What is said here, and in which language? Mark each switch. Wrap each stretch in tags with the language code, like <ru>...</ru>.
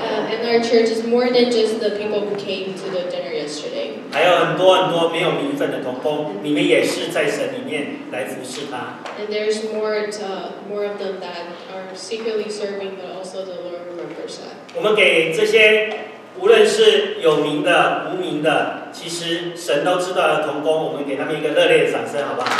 <en>And our church is more than just the people who came to the dinner yesterday.</en> <zh>还有很多很多没有名分的同工，你们也是在神里面来服侍他。</zh> <en>And there's more of them that are secretly serving, but also the Lord remembers that.</en> <zh>我们给这些无论是有名的、无名的，其实神都知道的同工，我们给他们一个热烈的掌声，好不好？</zh>